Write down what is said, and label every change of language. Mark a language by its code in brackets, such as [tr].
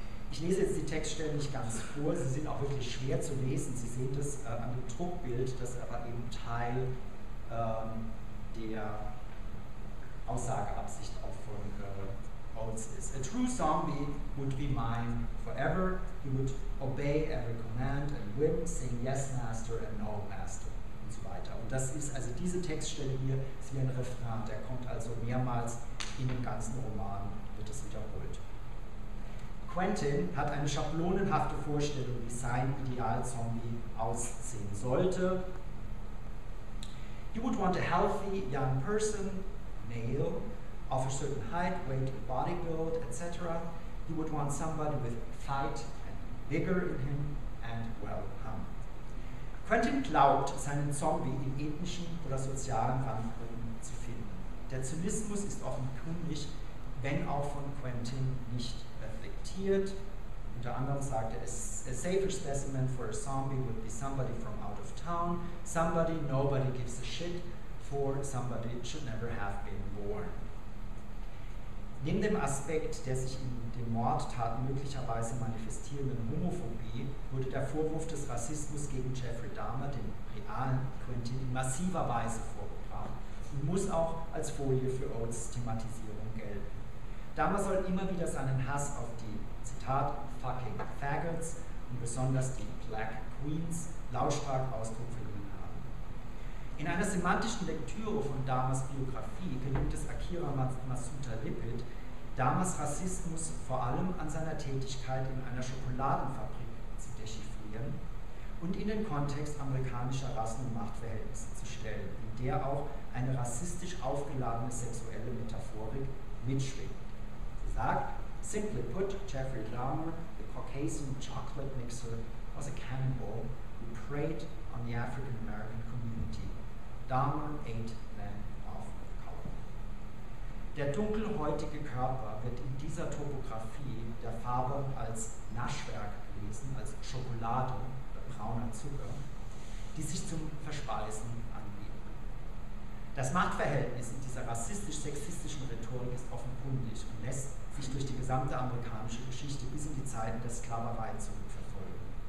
[de] Ich lese jetzt die Textstellen nicht ganz vor, sie sind auch wirklich schwer zu lesen. Sie sehen das an dem Druckbild, das aber eben Teil der Aussageabsicht auch von Oates ist. [en] A true zombie would be mine forever. He would obey every command and whim, saying yes master and no master [de] und so weiter. Und das ist, also diese Textstelle hier ist wie ein Refrain, der kommt also mehrmals in dem ganzen Roman, wird das wiederholt. Quentin hat eine schablonenhafte Vorstellung, wie sein Idealzombie aussehen sollte. [en] You would want a healthy young person, male, of a certain height, weight, and body build, etc. You would want somebody with fight and vigor in him and well hung. [de] Quentin glaubt, seinen Zombie in ethnischen oder sozialen Randgruppen zu finden. Der Zynismus ist offenkundig, wenn auch von Quentin nicht reflektiert. Unter anderem sagt er, [en] a safer specimen for a zombie would be somebody from out of town, somebody nobody gives a shit for, somebody should never have been born. [de] Neben dem Aspekt der sich in den Mordtaten möglicherweise manifestierenden Homophobie wurde der Vorwurf des Rassismus gegen Jeffrey Dahmer, den realen Quentin, in massiver Weise vorgebracht und muss auch als Folie für Oates Thematisierung gelten. Dahmer soll immer wieder seinen Hass auf die, Zitat, [en] fucking faggots [de] und besonders die [en] Black Queens [de] lautstark Ausdruck verliehen haben. In einer semantischen Lektüre von Dahmers Biografie gelingt es Akira Matsuta Lippitt, Dahmers Rassismus vor allem an seiner Tätigkeit in einer Schokoladenfabrik zu dechiffrieren und in den Kontext amerikanischer Rassen- und Machtverhältnisse zu stellen, in der auch eine rassistisch aufgeladene sexuelle Metaphorik mitschwingt. Sie sagt, [en] simply put, Jeffrey Dahmer Caucasian chocolate mixer was a cannonball who preyed on the African American community. Dahmer ate men of color. [de] Der dunkelhäutige Körper wird in dieser Topographie der Farbe als Naschwerk gelesen, als Schokolade oder brauner Zucker, die sich zum Verspeisen anbieten. Das Machtverhältnis in dieser rassistisch-sexistischen Rhetorik ist offenkundig und lässt sich durch die gesamte amerikanische Geschichte bis in die Zeiten der Sklaverei zurückverfolgen.